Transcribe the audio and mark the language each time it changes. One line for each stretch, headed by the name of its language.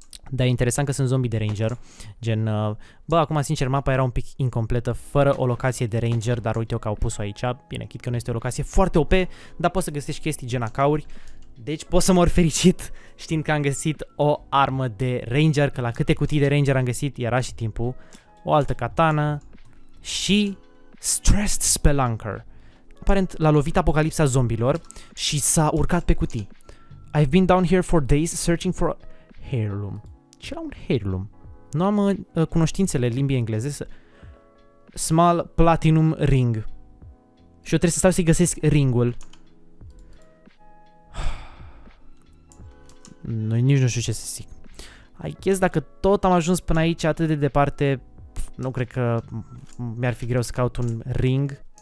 Romanian: Dar e interesant că sunt zombie de ranger, gen, bă, acum, sincer, mapa era un pic incompletă, fără o locație de ranger, dar uite-o că au pus-o aici, bine, chit că nu este o locație foarte OP, dar poți să găsești chestii gen acauri, deci pot să mă ori fericit știind că am găsit o armă de ranger, că la câte cutii de ranger am găsit, era și timpul, o altă katana și... Stressed Spelunker. Aparent l-a lovit apocalipsa zombilor și s-a urcat pe cutii.
English: I've been down here for days searching for a heirloom.
Romanian: Ce era un heirloom? Nu am cunoștințele limbii engleze. Small Platinum Ring. Și eu trebuie să stau să-i găsesc ringul. Noi nici nu știu ce să zic.
English: I guess
Romanian: dacă tot am ajuns până aici atât de departe, nu cred că mi-ar fi greu să caut un ring.